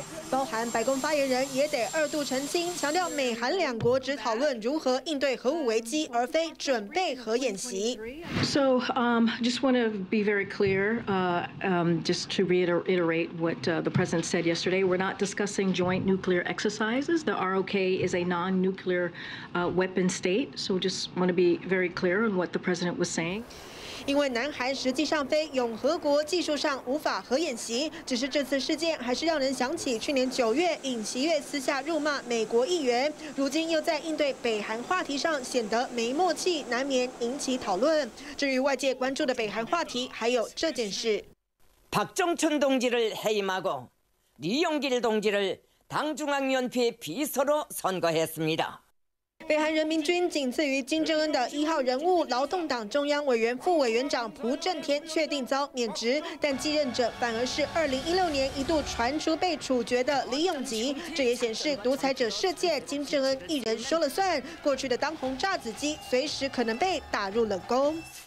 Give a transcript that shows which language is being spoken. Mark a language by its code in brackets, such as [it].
[zh] 包含白宫发言人也得2度澄清，强调美韩两国只讨论如何应对核武危机，而非准备核演习。 [en] So, just want to be very clear, just to reiterate what the president said yesterday. We're not discussing joint nuclear exercises. The ROK is a non-nuclear weapon state. So, just want to be very clear on what the president was saying. [zh] 因为南韩实际上非永和国技术上无法核演习，只是这次事件还是让人想起去年9月尹锡悦私下辱骂美国议员，如今又在应对北韩话题上显得没默契，难免引起讨论。至于外界关注的北韩话题，还有这件事。박정천 [ko] 동지를 해임하고 리용길 동지를 당중앙위원회 비서로 선거했습니다. [zh] 北韩人民军仅次于金正恩的1号人物，劳动党中央委员副委员长朴正天确定遭免职，但继任者反而是2016年一度传出被处决的李永吉。这也显示独裁者世界金正恩一人说了算，过去的当红炸子鸡随时可能被打入冷宫。